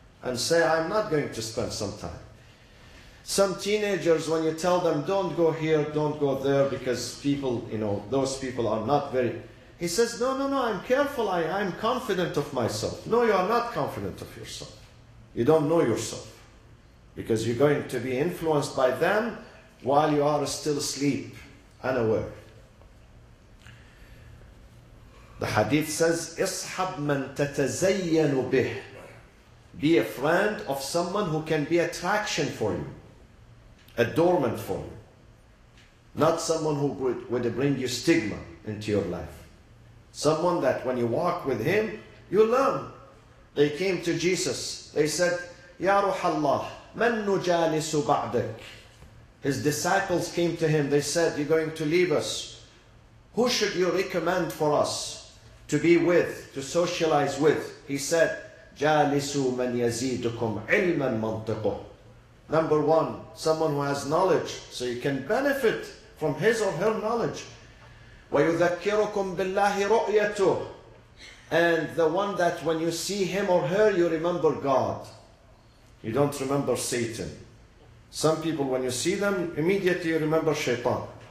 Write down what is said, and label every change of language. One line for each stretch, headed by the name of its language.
English: And say, I'm not going to spend some time. Some teenagers, when you tell them, don't go here, don't go there, because people, you know, those people are not very... He says, no, I'm careful, I'm confident of myself. No, you are not confident of yourself. You don't know yourself. Because you're going to be influenced by them while you are still asleep, unaware. The hadith says,
Arabic: اصحب من تتزين به.
English: Be a friend of someone who can be attraction for you, a dormant for you, not someone who would bring you stigma into your life. Someone that when you walk with him, you learn. They came to Jesus.
Arabic: They said, Ya Ruhallah, man nujalisu ba'dak.
English: His disciples came to him. They said, you're going to leave us. Who should you recommend for us to be with, to socialize with? He said,
Arabic: جَالِسُ مَنْ يَزِيدُكُمْ عِلْمًا مَنْطِقُهُ.
English: Number one, someone who has knowledge, so you can benefit from his or her knowledge.
Arabic: وَيُذَكِّرُكُمْ بِاللَّهِ رُؤْيَتُهُ.
English: And the one that when you see him or her, you remember God. You don't remember Satan. Some people, when you see them, immediately you remember Shaitan.